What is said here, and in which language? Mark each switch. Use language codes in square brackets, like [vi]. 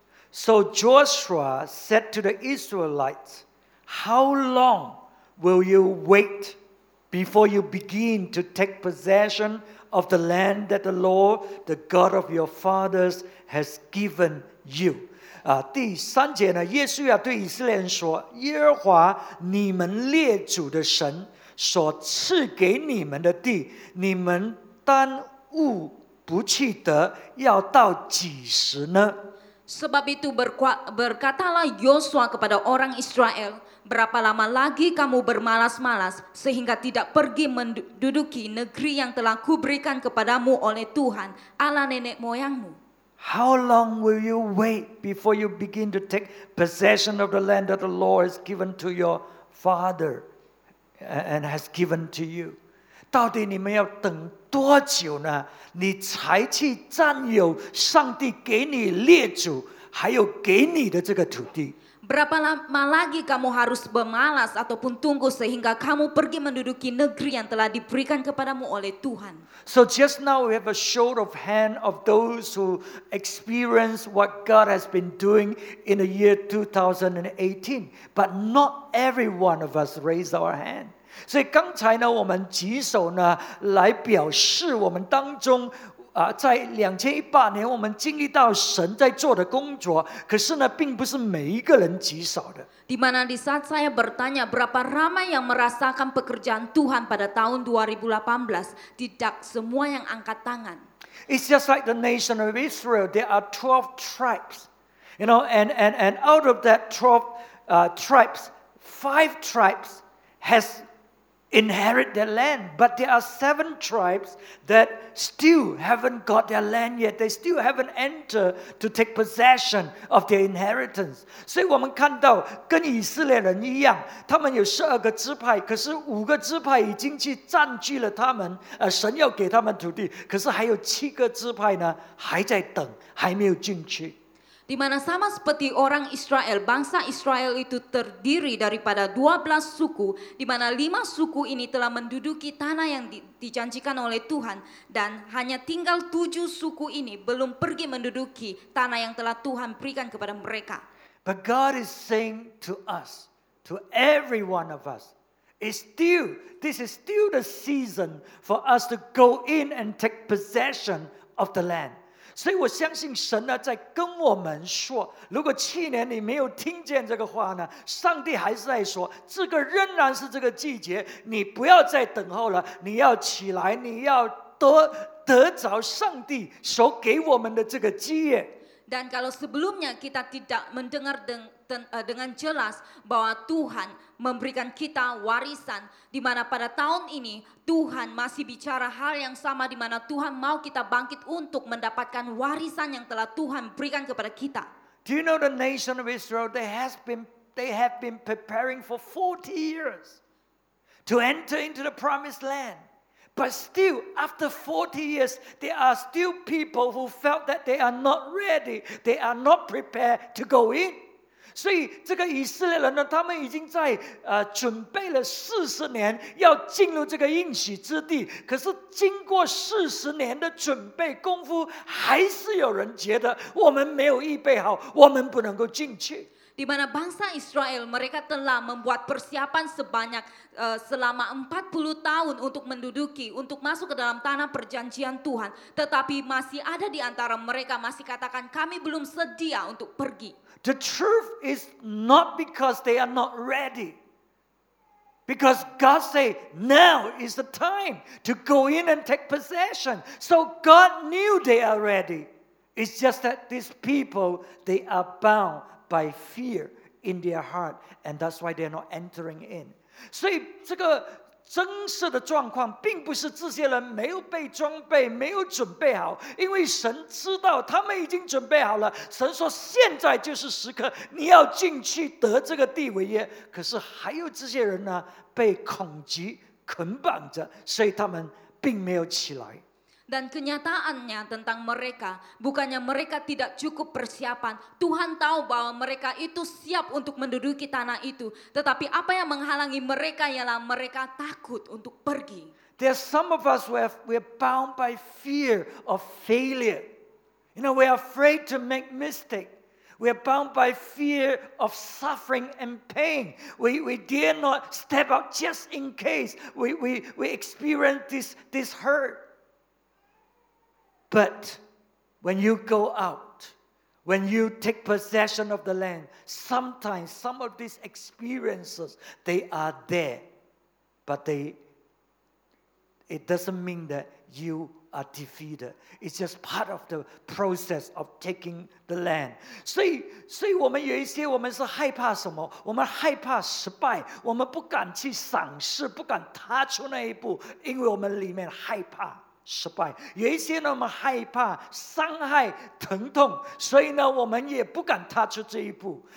[en] So Joshua said to the Israelites, how long will you wait before you begin to take possession of the land that the Lord, the God of your fathers, has given you. [zh] 第三节呢，耶稣要对以色列人说，耶和华你们列祖的神所赐给你们的地，你们耽误不去得，要到几时呢？ [ms] Sebab itu berkatalah Yosua kepada orang Israel, berapa lama lagi kamu bermalas-malas sehingga tidak pergi menduduki negeri yang telah kuberikan kepadamu oleh Tuhan, Allah nenek moyangmu? [en] How long will you wait before you begin to take possession of the land that the Lord has given to your father and has given to you? [zh] 到底你们要等多久呢？你才去占有上帝给你列祖还有给你的这个土地？ [ms] Berapa lama lagi kamu harus bermalas ataupun tunggu sehingga kamu pergi menduduki negeri yang telah diberikan kepadamu oleh Tuhan? [en] So just now we have a show of hand of those who experience what God has been doing in the year 2018. But not every one of us raised our hand. [zh] 所以刚才呢，我们举手呢，来表示我们当中在2018年我们经历到神在做的工作，可是呢并不是每一个人极少的。 [ms] Di mana di saat saya bertanya berapa ramai yang merasakan pekerjaan Tuhan pada tahun 2018, tidak semua yang angkat tangan. [en] It's just like the nation of Israel, there are 12 tribes. You know, and out of that 12 tribes, 5 tribes has inherit their land, but there are 7 tribes that still haven't got their land yet. They still haven't entered to take possession of their inheritance. [zh] 所以我们看到跟以色列人一样，他们有十二个支派，可是五个支派已经去占据了他们，神要给他们土地，可是还有七个支派呢，还在等，还没有进去。 [ms] Di mana sama seperti orang Israel, bangsa Israel itu terdiri daripada 12 suku, di mana 5 suku ini telah menduduki tanah yang dijanjikan oleh Tuhan, dan hanya tinggal 7 suku ini belum pergi menduduki tanah yang telah Tuhan berikan kepada mereka. [en] But God is saying to us, to every one of us, this is still the season for us to go in and take possession of the land. [zh] 所以我相信神呢在跟我们说，如果去年你没有听见这个话呢，上帝还是在说，这个仍然是这个季节，你不要再等候了，你要起来，你要得着上帝所给我们的这个基业。 [ms] Dan kalau sebelumnya kita tidak mendengar dengan jelas bahwa Tuhan memberikan kita warisan, di mana pada tahun ini Tuhan masih bicara hal yang sama, di mana Tuhan mau kita bangkit untuk mendapatkan warisan yang telah Tuhan berikan kepada kita. [en] Do you know the nation of Israel? They have been preparing for 40 years to enter into the promised land. But still, after 40 years, there are still people who felt that they are not ready. They are not prepared to go in. [zh] 所以这个以色列人呢，他们已经在准备了40年要进入这个应许之地，可是经过40年的准备功夫，还是有人觉得我们没有预备好，我们不能够进去。 [ms] Di mana bangsa Israel mereka telah membuat persiapan sebanyak selama 40 tahun untuk menduduki, untuk masuk ke dalam tanah perjanjian Tuhan. Tetapi masih ada di antara mereka masih katakan kami belum sedia untuk pergi. [en] The truth is not because they are not ready. Because God say now is the time to go in and take possession. So God knew they are ready. It's just that these people, they are bound by fear in their heart, and that's why they're not entering in. [zh] 所以这个真实的状况并不是这些人没有被装备，没有准备好，因为神知道他们已经准备好了。神说现在就是时刻，你要进去得这个地为业。可是还有这些人呢，被恐惧捆绑着，所以他们并没有起来。 [ms] Dan kenyataannya tentang mereka, bukannya mereka tidak cukup persiapan. Tuhan tahu bahwa mereka itu siap untuk menduduki tanah itu. Tetapi apa yang menghalangi mereka ialah mereka takut untuk pergi. [en] There are some of us who we're bound by fear of failure. You know, we're afraid to make mistakes. We're bound by fear of suffering and pain. We dare not step out just in case we experience this hurt. But when you go out, when you take possession of the land, sometimes some of these experiences, they are there. But it doesn't mean that you are defeated. It's just part of the process of taking the land. [zh] 所以我们有一些我们是害怕什么？我们害怕失败，我们不敢去尝试，不敢踏出那一步，因为我们里面害怕。失败，有一些呢，我们害怕伤害、疼痛，所以呢，我们也不敢踏出这一步。